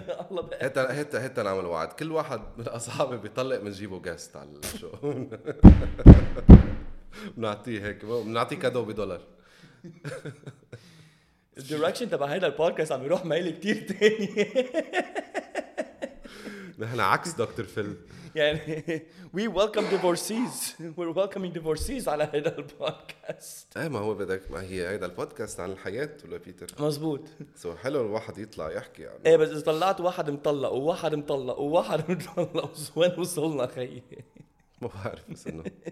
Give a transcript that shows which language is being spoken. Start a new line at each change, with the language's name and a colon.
Arabic: الله بقى. هيتا نعمل وعد. كل واحد من اصحابي بيطلق بنجيبه جاست على الشو. بنعطيه هيك بنعطيه كادو بدولار. الديركشن تبع هذا البودكاست عم يروح مايل كتير تاني. نحن عكس دكتور فيل.
English: يعني we welcome divorcees. We're welcoming divorcees على هذا البودكاست.
Arabic: ايه ما هو بدك ما هي هذا البودكاست عن الحياة ولا بيتر. مزبوط. سو حلو الواحد يطلع يحكي يعني. ايه بس إذا طلعت واحد مطلق وواحد مطلق وواحد مطلق وين وصلنا خي. ما بعرف بس انه.